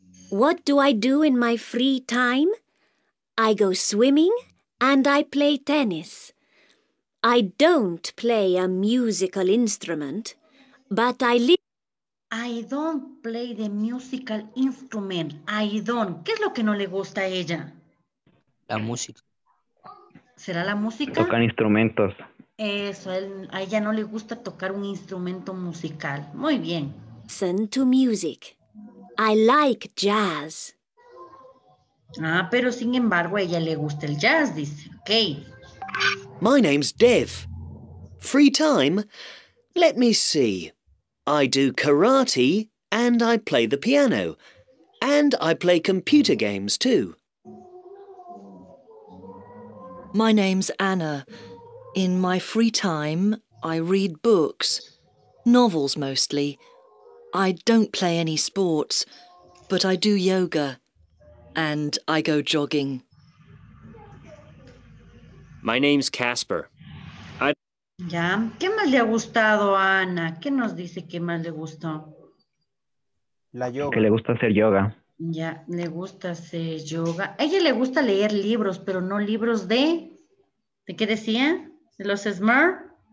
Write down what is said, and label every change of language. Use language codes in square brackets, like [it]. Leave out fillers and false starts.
[en] What do I do in my free time? I go swimming and I play tennis. I don't play a musical instrument, but I live... I don't play the musical instrument. I don't. [es] ¿Qué es lo que no le gusta a ella? La música. ¿Será la música? Tocan instrumentos. Eso, a ella no le gusta tocar un instrumento musical. Muy bien. [en] Listen to music. I like jazz. [es] Ah, pero sin embargo, a ella le gusta el jazz, dice. [en] Ok. My name's Dev. Free time? Let me see. I do karate and I play the piano. And I play computer games too. My name's Anna. In my free time, I read books, novels mostly. I don't play any sports, but I do yoga and I go jogging. My name's Casper. [es] Ya, ¿qué más le ha gustado a Ana? ¿Qué nos dice que más le gustó? La yoga. Que le gusta hacer yoga. Ya, le gusta hacer yoga. A ella le gusta leer libros, pero no libros de... ¿De qué decía? ¿De los Smart?